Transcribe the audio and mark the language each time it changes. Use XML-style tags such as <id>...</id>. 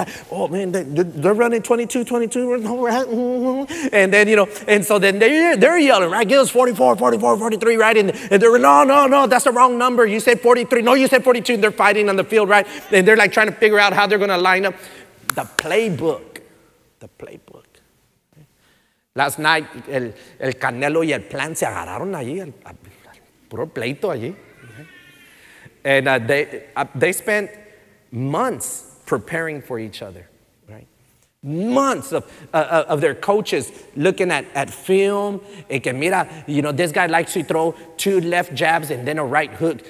<en>Oh, man, they're running 22-22. And then, you know, and so then they're yelling, right? Give us 44-43, right? And they're no, that's the wrong number. You said 43. No, you said 42. And they're fighting on the field, right? And they're like trying to figure out how they're going to line up. The playbook. Last night,</en> <es>el Canelo y el Plan se agarraron allí. Puro pleito allí.</es> <en>And they spent months preparing for each other, right? Months of their coaches looking at film. And</en> <es>que mira,</es> <en>you know, this guy likes to throw two left jabs and then a right hook.</en>